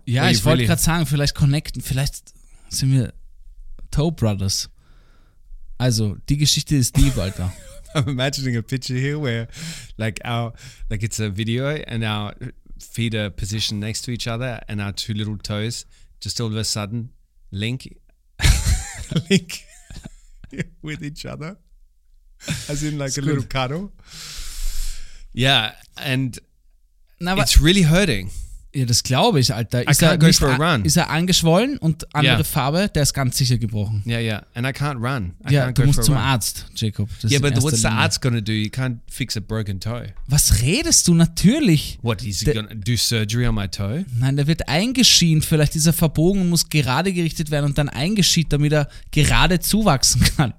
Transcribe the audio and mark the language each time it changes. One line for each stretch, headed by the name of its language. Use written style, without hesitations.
German: Ja, ich wollte gerade sagen, vielleicht connecten, vielleicht sind wir Toe Brothers. Also, die Geschichte ist die, Alter.
English: I'm imagining a picture here where, like it's a video and our feet are positioned next to each other and our two little toes just all of a sudden link with each other. As in like it's a good. Little cuddle. Yeah, and now, it's really hurting.
German: Ja, das glaube ich, Alter.
English: Ist I can't go for a run.
German: Ist er angeschwollen und andere Farbe, der ist ganz sicher gebrochen.
English: Yeah, yeah. And I can't run.
German: Du musst zum Arzt, Jacob.
English: Das yeah, but what's Linie. The arzt going to do? You can't fix a broken toe.
German: Was redest du? Natürlich.
English: What, is he going to do surgery on my toe?
German: Nein, der wird eingeschient. Vielleicht ist er verbogen und muss gerade gerichtet werden und dann eingeschient, damit er gerade zuwachsen kann.